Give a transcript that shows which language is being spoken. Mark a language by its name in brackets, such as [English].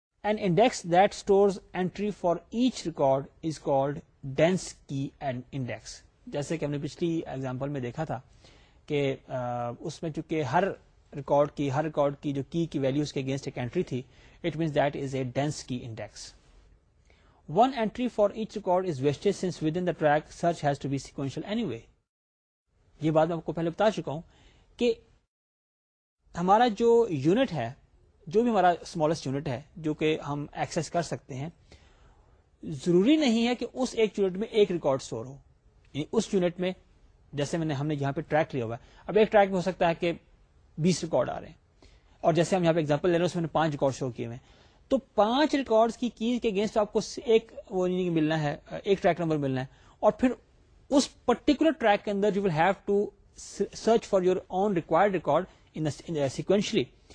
[English] An index that stores entry for each record is called dense key and index. [Urdu] جیسے کہ ہم نے پچھلی ایگزامپل میں دیکھا تھا کہ اس میں چونکہ ہر ریکارڈ کی جو کی ویلوز کے اگینسٹ ایک اینٹری تھی, [English] It means that is a dense کی index. One entry for each record is wasted since with in the track search has to be sequential anyway. [Urdu] یہ بات میں آپ کو پہلے بتا چکا ہوں کہ ہمارا جو یونٹ ہے, جو بھی ہمارا اسمالسٹ یونٹ ہے جو کہ ہم ایکسس کر سکتے ہیں, ضروری نہیں ہے کہ اس ایک یونٹ میں ایک ریکارڈ اسٹور ہو. یعنی اس یونٹ میں جیسے ہم نے یہاں پہ ٹریک لیا ہوا ہے, اب ایک ٹریک میں ہو سکتا ہے کہ 20 ریکارڈ آ رہے ہیں, اور جیسے ہم یہاں پہ ایگزامپل لے رہے ہیں اس میں 5 ریکارڈ شو کیے ہوئے ہیں, تو 5 ریکارڈ کی کیز کے اگینسٹ آپ کو ایک وہ یعنی ملنا ہے, ایک ٹریک نمبر ملنا ہے, اور پھر اس پرٹیکولر ٹریک کے اندر [English] You will have to search for your own required record in sequentially.